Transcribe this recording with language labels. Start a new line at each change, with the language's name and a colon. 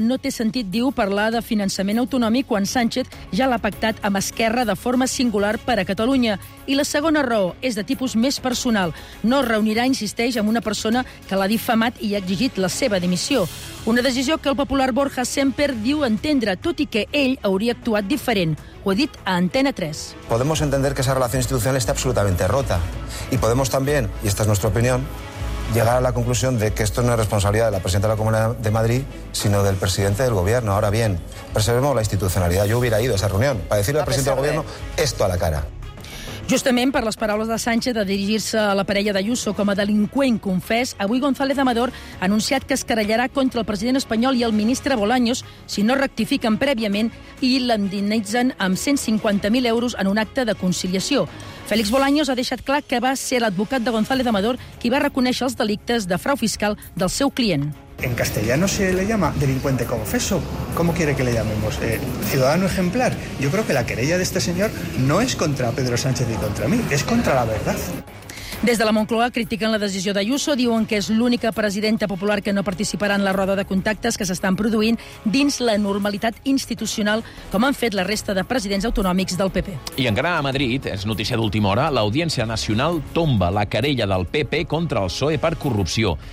Catalan: No té sentit, diu, parlar de finançament autonòmic quan Sánchez ja l'ha pactat amb Esquerra de forma singular per a Catalunya. I la segona raó és de tipus més personal. No es reunirà, insisteix, amb una persona que l'ha difamat i ha exigit la seva dimissió. Una decisió que el popular Borja Semper diu entendre, tot i que ell hauria actuat diferent. Ho ha dit a Antena 3.
Spanish: Podemos entender que esa relación institucional está absolutamente rota. Y podemos también, y esta es nuestra opinión, llegar a la conclusión de que esto no es responsabilidad de la presidenta de la Comunidad de Madrid, sino del presidente del gobierno. Ahora bien, preservemos la institucionalidad. Yo hubiera ido a esa reunión para decirle al presidente del gobierno esto a la cara.
Catalan: Justament per les paraules de Sánchez de dirigir-se a la parella d'Ayuso com a delinqüent confès, avui González Amador ha anunciat que es querellarà contra el president espanyol i el ministre Bolaños si no rectifiquen prèviament i l'endinitzen amb 150.000 euros en un acte de conciliació. Félix Bolaños ha deixat clar que va ser l'advocat de González Amador qui va reconèixer els delictes de frau fiscal del seu client.
Spanish: En castellano se le llama delincuente confeso. ¿Cómo quiere que le llamemos? Ciudadano ejemplar. Yo creo que la querella de este señor no es contra Pedro Sánchez y contra mí, es contra la verdad.
Catalan: Des de la Moncloa critiquen la decisió d'Ayuso, diuen que és l'única presidenta popular que no participarà en la roda de contactes que s'estan produint dins la normalitat institucional, com han fet la resta de presidents autonòmics del PP. I encara a Madrid, és notícia d'última hora, l'Audiència Nacional tomba la querella del PP contra el PSOE per corrupció.